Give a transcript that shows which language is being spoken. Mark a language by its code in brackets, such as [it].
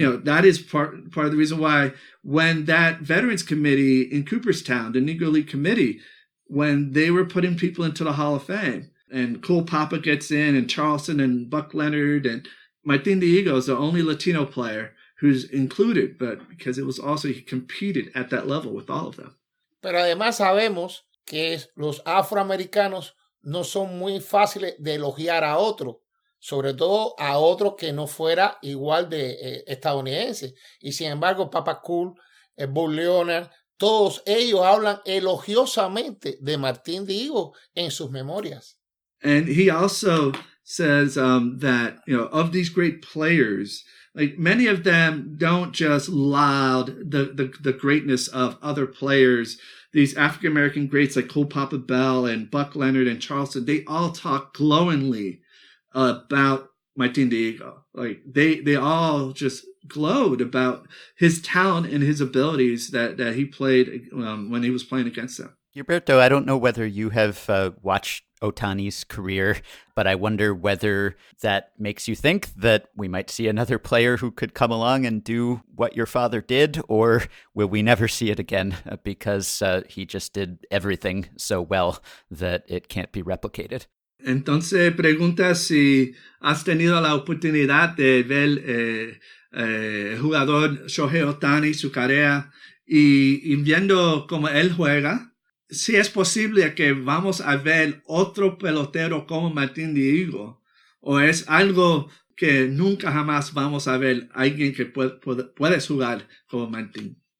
[en] you know, that is part of the reason why when that Veterans Committee in Cooperstown, the Negro League Committee, when they were putting people into the Hall of Fame, and Cole Papa gets in, and Charleston, and Buck Leonard, and Martin Diego is the only Latino player who's included, but because it was also he competed at that level with all of them. [es] Pero además sabemos que los afroamericanos no son muy fáciles de elogiar a otro, sobre todo a otro que no fuera igual de estadounidense. Y sin embargo, Papa Cool, Bull Leonard, todos ellos hablan elogiosamente de Martin Diego en sus memorias. [en] And he also says that, you know, of these great players, like many of them don't just laud the greatness of other players. These African-American greats like Cole Papa Bell and Buck Leonard and Charleston, they all talk glowingly about Martin Diego. Like they all just glowed about his talent and his abilities that he played when he was playing against them. Gilberto, I don't know whether you have watched Otani's career, but I wonder whether that makes you think that we might see another player who could come along and do what your father did, or will we never see it again because he just did everything so well that it can't be replicated. [es] Entonces pregunta si has tenido la oportunidad de ver jugador Shohei Otani, su carrera, y viendo cómo él juega. Si es posible que vamos a ver otro pelotero como Martin Diego, o es algo que nunca jamás vamos a ver alguien que puede jugar como Martin.